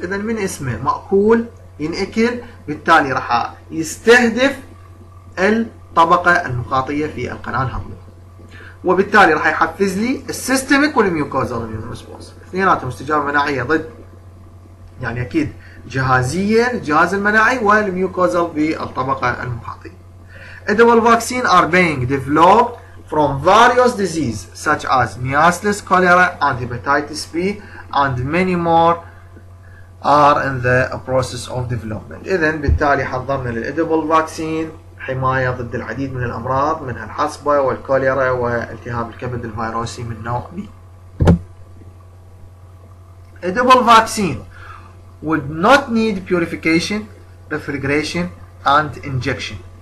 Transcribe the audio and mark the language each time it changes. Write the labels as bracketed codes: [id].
[ar] إذن من اسمه مأكول ينأكل، بالتالي راح يستهدف الطبقة المخاطية في القناة الهضمية، وبالتالي راح يحفز لي systemic والميوكوزال immune response. اثنيناتهم استجابة مناعية ضد، يعني أكيد جهازية الجهاز المناعي والميوكوزال بالطبقة المخاطية. إدبل فاكسين [en] are being developed from various diseases such as measles, cholera, and hepatitis B, and many more are in the process of development. [ar] إذن بالتالي حضرنا للإدبل فاكسين حماية ضد العديد من الأمراض، منها الحصبة والكوليرا والتهاب الكبد الفيروسي من نوع B. إدبل فاكسين [en] would not need purification, refrigeration, and injection.